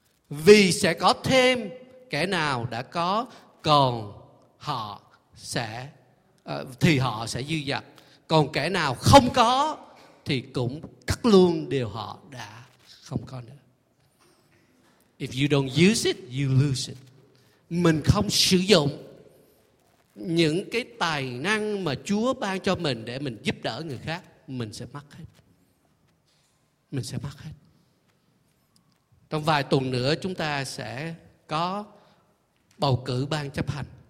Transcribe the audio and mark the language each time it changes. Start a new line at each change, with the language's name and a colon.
Vietnamese: Vì sẽ có thêm kẻ nào đã có, còn họ sẽ thì họ sẽ dư dật, còn kẻ nào không có thì cũng cắt luôn điều họ đã không có nữa.
English: If you don't use it, you lose it.
Vietnamese: Mình không sử dụng những cái tài năng mà Chúa ban cho mình để mình giúp đỡ người khác, mình sẽ mất hết. Mình sẽ mất hết. Trong vài tuần nữa chúng ta sẽ có bầu cử ban chấp hành.